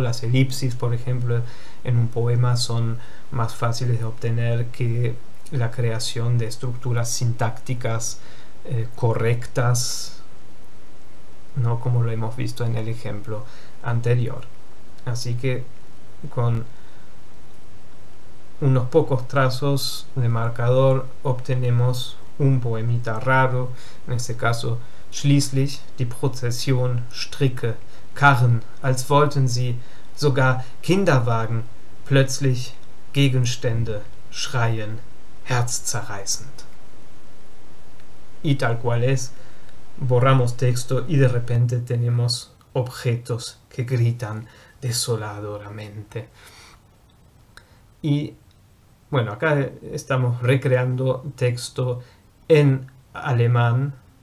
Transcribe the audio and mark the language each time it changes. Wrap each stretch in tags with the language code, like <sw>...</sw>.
<es>Las elipsis, por ejemplo, en un poema son más fáciles de obtener que la creación de estructuras sintácticas correctas, ¿no? Como lo hemos visto en el ejemplo anterior. Así que con unos pocos trazos de marcador obtenemos un poemita raro, en este caso.</es> <de>Schließlich die Prozession Stricke, Karren, als wollten sie, sogar Kinderwagen, plötzlich Gegenstände schreien, herzzerreißend.</de> <es>Y tal cual es, borramos texto y de repente tenemos objetos que gritan desoladoramente. Y bueno, acá estamos recreando texto en alemán.</es>